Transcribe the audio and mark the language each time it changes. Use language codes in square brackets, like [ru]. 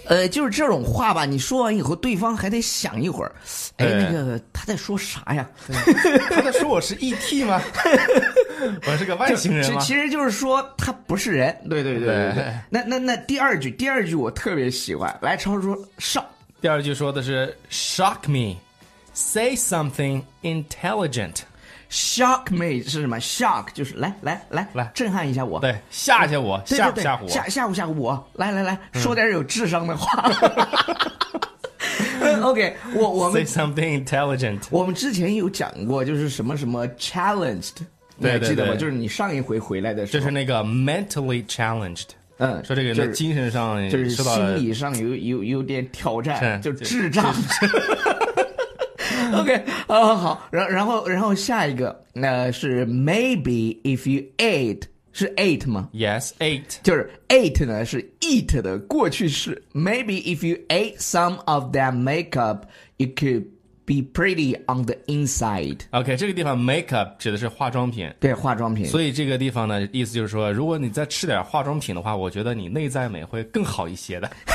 [zh] 就是这种话吧，你说完以后对方还得想一会儿，他在说啥呀？他在说我是 ET 吗？我是个外星人吗？其实就是说他不是人。对对对对, 对。那第二句我特别喜欢，来超说 shock。 [en] 第二句说的是 shock me， say something intelligent。 [zh] shock me 是什么？ shock 就是来震撼一下我，对，吓吓我，吓吓唬我，吓唬吓唬我，来说点有智商的话。 OK， 我们 [en] say something intelligent。 [zh] 我们之前有讲过就是什么什么 challenged，对，你还记得吗？就是你上一回回来的时候，就是那个 mentally challenged。说这个人的精神上就是心理上有点挑战，就智障。 OK， 好，然后下一个那是 maybe if you ate，是 ate 吗？ [en] Yes， ate [zh] 就是 ate 呢是 eat 的过去式。 [en] Maybe if you ate some of that makeup you could be pretty on the inside。 [zh] OK， 这个地方 makeup 指的是化妆品，对，化妆品。所以这个地方呢意思就是说，如果你再吃点化妆品的话，我觉得你内在美会更好一些的。